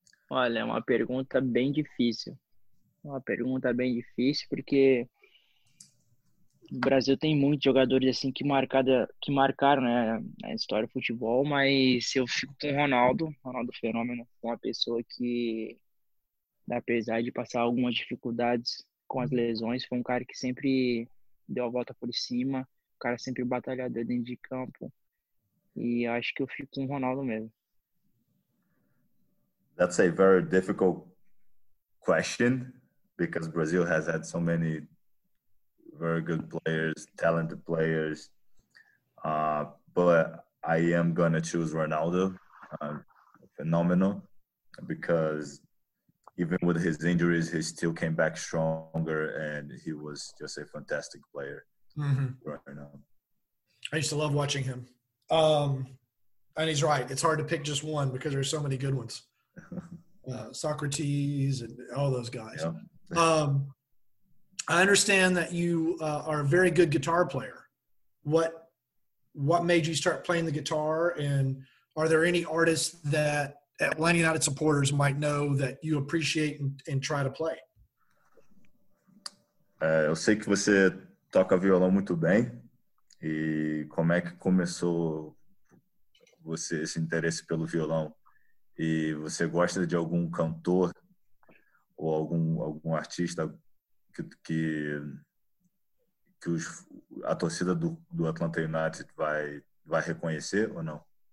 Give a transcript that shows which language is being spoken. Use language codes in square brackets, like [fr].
[pt] Olha, é uma pergunta bem difícil. Uma pergunta bem difícil porque o Brasil tem muitos jogadores assim que marcaram, né, na história do futebol, mas eu fico com Ronaldo Fenômeno, uma pessoa que, apesar de passar algumas dificuldades com as lesões, foi um cara que sempre deu a volta por cima, um cara sempre batalhador dentro de campo. E acho que eu fico com o Ronaldo mesmo. [en] That's a very difficult question because Brazil has had so many very good players, talented players. But I am gonna choose Ronaldo, phenomenal, because even with his injuries, he still came back stronger and he was just a fantastic player right now. I used to love watching him. And he's right, it's hard to pick just one because there's so many good ones. Socrates and all those guys. I understand that you are a very good guitar player. What made you start playing the guitar? And are there any artists that Atlanta United supporters might know that you appreciate and try to play? [pt] Eu sei que você toca violão muito bem. E como é que começou você esse interesse pelo violão? E você gosta de algum cantor ou algum artista que a torcida do Atlanta United vai reconhecer ou não?